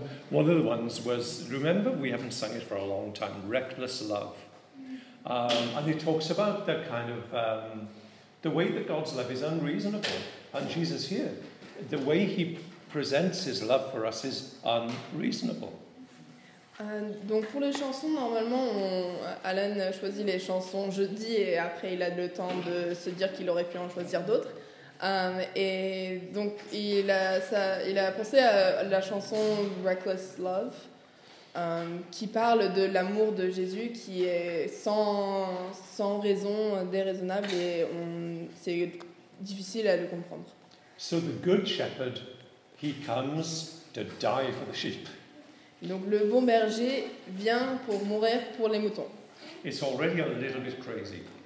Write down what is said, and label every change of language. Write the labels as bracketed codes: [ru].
[en] One of the ones was, remember, we haven't sung it for a long time, Reckless Love. And it talks about the kind of, the way that God's love is unreasonable. And Jesus here, the way he presents his love for us is unreasonable. [fr] Donc pour les chansons, normalement, Alan choisit les chansons jeudi et après il a le temps de se dire qu'il aurait pu en choisir d'autres. Et donc il a pensé à la chanson Reckless Love, qui parle de l'amour de Jésus qui est sans raison, déraisonnable, et c'est difficile à le comprendre. [en] So the good shepherd, he comes to die for the sheep. [fr] Donc le bon berger vient pour mourir pour les moutons. [en] It's already a little bit crazy.